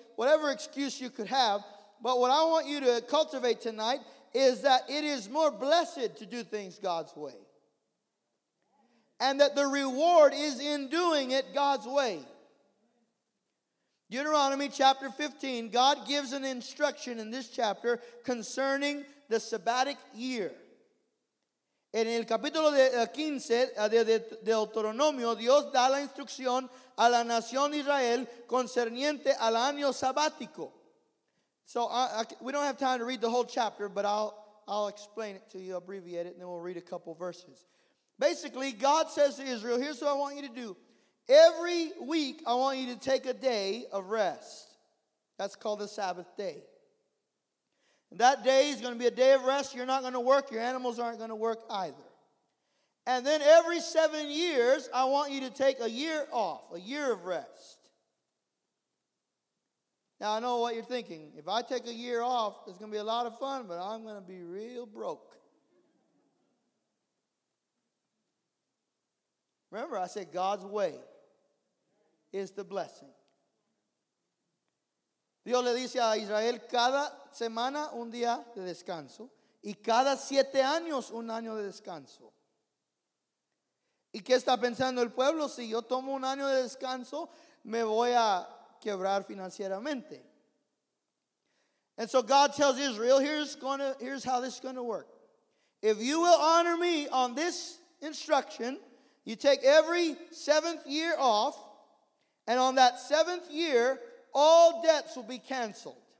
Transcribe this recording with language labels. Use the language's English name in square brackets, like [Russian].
[English] Whatever excuse you could have. But what I want you to cultivate tonight is that it is more blessed to do things God's way. And that the reward is in doing it God's way. Deuteronomy chapter 15, God gives an instruction in this chapter concerning the sabbatic year. [Spanish] En el capítulo 15 de Deuteronomio, Dios da la instrucción a la nación Israel concerniente al año sabático. [English] So we don't have time to read the whole chapter, but I'll explain it to you, abbreviate it, and then we'll read a couple verses. Basically, God says to Israel, here's what I want you to do. Every week, I want you to take a day of rest. That's called the Sabbath day. And that day is going to be a day of rest. You're not going to work. Your animals aren't going to work either. And then every 7 years, I want you to take a year off, a year of rest. Now, I know what you're thinking. If I take a year off, it's going to be a lot of fun, but I'm going to be real broke. Remember, I said God's way is the blessing. [Spanish] Dios le dice a Israel, cada semana un día de descanso, y cada 7 años un año de descanso. ¿Y qué está pensando el pueblo? Si yo tomo un año de descanso, me voy a quebrar financieramente. [English] And so God tells Israel, here's how this is going to work. If you will honor me on this instruction, you take every 7th year off, and on that 7th year, all debts will be canceled.